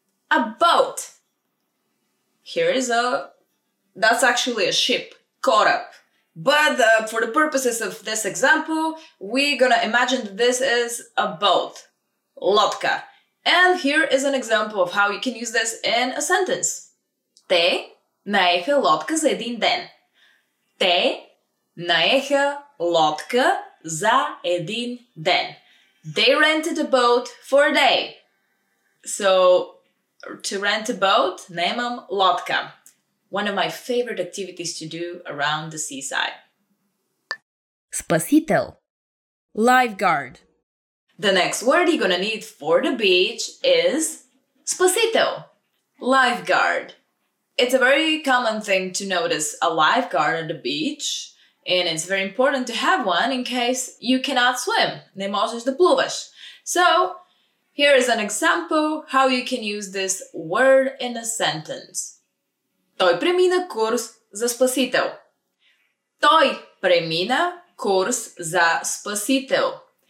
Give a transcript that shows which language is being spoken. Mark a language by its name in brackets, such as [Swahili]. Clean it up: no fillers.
[English] A boat. Here is a... That's actually a ship. Korab. But for the purposes of this example, we're gonna imagine that this is a boat. Lotka. And here is an example of how you can use this in a sentence. [Bulgarian] Te наеха лодка за един ден. Те наеха лодка за един ден. [English] They rented a boat for a day. So, to rent a boat, [Bulgarian] наемам лодка. [English] One of my favorite activities to do around the seaside. [Bulgarian] Спасител. Lifeguard. [English] The next word you're gonna need for the beach is спасител. Lifeguard. It's a very common thing to notice a lifeguard at the beach, and it's very important to have one in case you cannot swim. [Bulgarian] Не можеш да плуваш. [English] So, here is an example how you can use this word in a sentence. [Bulgarian] Той премина курс за спасител. Той премина курс за спасител.